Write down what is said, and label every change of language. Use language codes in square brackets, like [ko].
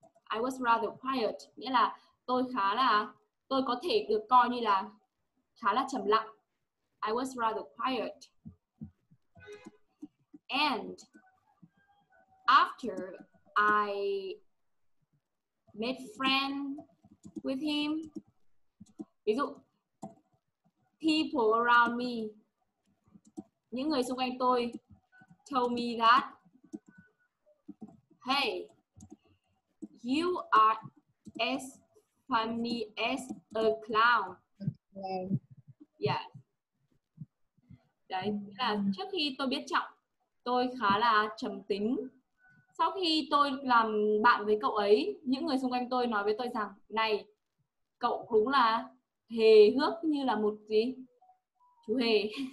[en] I was rather quiet. [vi] Nghĩa là tôi có thể được coi như là khá là trầm lặng. [en] I was rather quiet. And after I made friend with him, [vi] ví dụ [en] people around me, [vi] những người xung quanh tôi [en] told me that hey, you are as funny as a clown. Yeah. [vi] Đấy, là trước khi tôi biết Trọng, tôi khá là trầm tính. Sau khi tôi làm bạn với cậu ấy, những người xung quanh tôi nói với tôi rằng, này, cậu đúng là hề hước như là một gì? Chú hề.